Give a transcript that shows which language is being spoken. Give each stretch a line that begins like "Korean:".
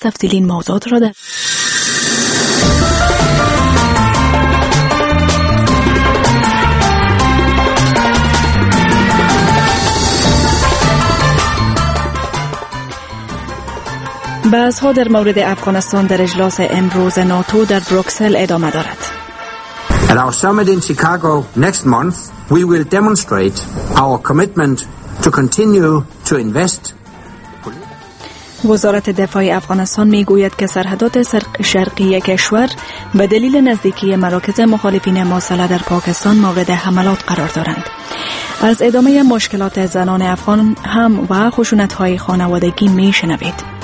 Persian: تفصیل این موضوعات را در بحث‌ها در مورد افغانستان در اجلاس امروز ناتو در بروکسل ادامه دارد.
English: At our summit in Chicago next month, we will demonstrate our commitment to continue to invest.
Persian: وزارت دفاع افغانستان میگوید که سرحدات شرقی کشور به دلیل نزدیکی مراکز مخالفین موصله در پاکستان مورد حملات قرار دارند. از ادامه مشکلات زنان افغان هم و خشونت های خانوادگی میشنوید.